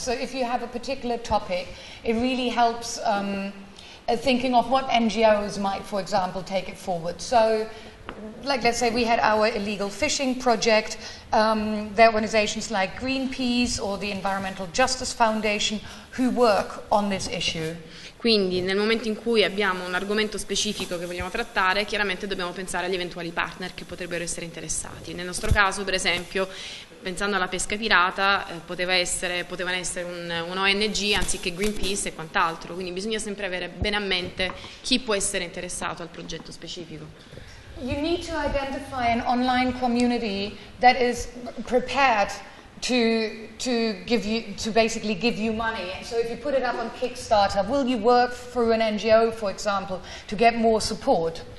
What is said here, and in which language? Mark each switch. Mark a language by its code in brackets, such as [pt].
[en] So if you have a particular topic, it really helps thinking of what NGOs might, for example, take it forward. So, like, let's say we had our illegal fishing project. There are organizations like Greenpeace or the Environmental Justice Foundation who work on this issue. [it] Quindi nel momento in cui abbiamo un argomento specifico che vogliamo trattare, chiaramente dobbiamo pensare agli eventuali partner che potrebbero essere interessati. Nel nostro caso, per esempio, pensando alla pesca pirata, potevano essere un ONG anziché Greenpeace e quant'altro. Quindi bisogna sempre avere bene a mente chi può essere interessato al progetto specifico. [en] You need to identify an online community that is prepared to basically give you money. So if you put it up on Kickstarter, will you work through an NGO, for example, to get more support?